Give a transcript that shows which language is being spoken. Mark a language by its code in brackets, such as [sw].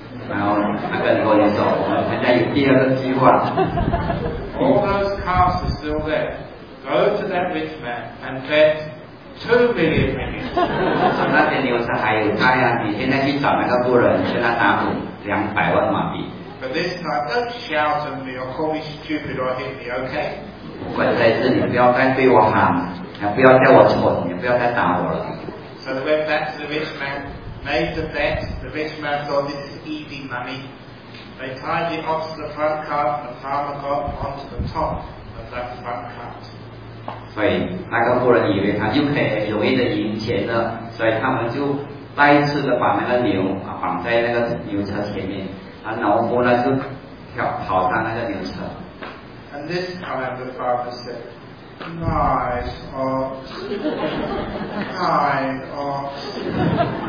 [zh] 然后他跟公牛说，我们现在有第二个计划。 [en] All those cows are still there. Go to that rich man and bet. 2 million ringgit. [zh] 那些牛车还有债啊！你现在去找那个富人，跟他打赌200万马币。 [en] But this time, don't shout at me or call me stupid or hit me, okay? [zh] 不管谁是你，不要再对我喊，也不要叫我蠢，也不要再打我了。 [en] So they went back to the rich man, made the bet. The rich man thought this is easy money. They tied the ox to the front cart, and the farmer got onto the top of that front cart. [zh] 所以那个富人以为他就可以容易的赢钱了，所以他们就再次的把那个牛绑在那个牛车前面，而农夫呢就跑上那个牛车。 [en] And this time the farmer said, "Nice ox, kind ox."